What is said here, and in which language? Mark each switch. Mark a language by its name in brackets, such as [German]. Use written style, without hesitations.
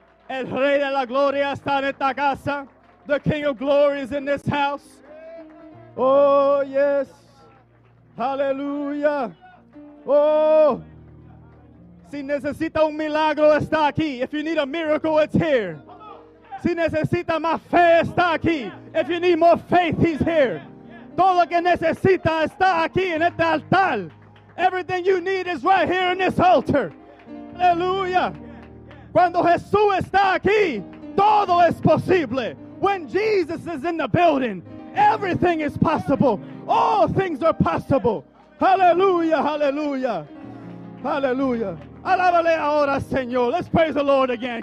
[Spanish] El Rey de la Gloria está en esta casa. [English] The King of Glory is in this house. Oh, yes. Hallelujah. Oh. [Spanish] Si necesita un milagro, está aquí. [English] If you need a miracle, it's here. [Spanish] Si necesita más fe, está aquí. [English] If you need more faith, he's here. [Spanish] Todo lo que necesita está aquí en este altar. [English] Everything you need is right here in this altar. Hallelujah. [Spanish] Cuando Jesús está aquí, todo es posible. [English] When Jesus is in the building, everything is possible. All things are possible. Hallelujah, hallelujah, hallelujah. [Spanish] Alábale ahora, Señor. [English] Let's praise the Lord again.